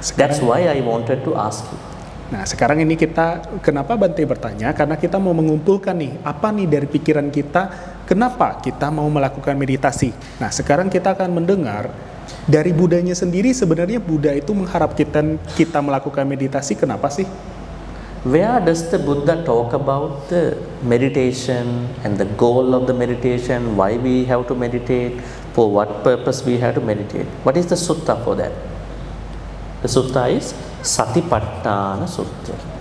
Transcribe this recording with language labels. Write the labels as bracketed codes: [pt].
[en] that's why I wanted to ask you. [id] Nah, sekarang ini kita, kenapa Bante bertanya? Karena kita mau mengumpulkan nih, apa nih dari pikiran kita, kenapa kita mau melakukan meditasi? Nah, sekarang kita akan mendengar, dari Buddhanya sendiri, sebenarnya Buddha itu mengharap kita melakukan meditasi, kenapa sih? [en] Where does the Buddha talk about the meditation and the goal of the meditation, why we have to meditate, for what purpose we have to meditate? What is the sutta for that? The sutta is Satipatthana Sutta.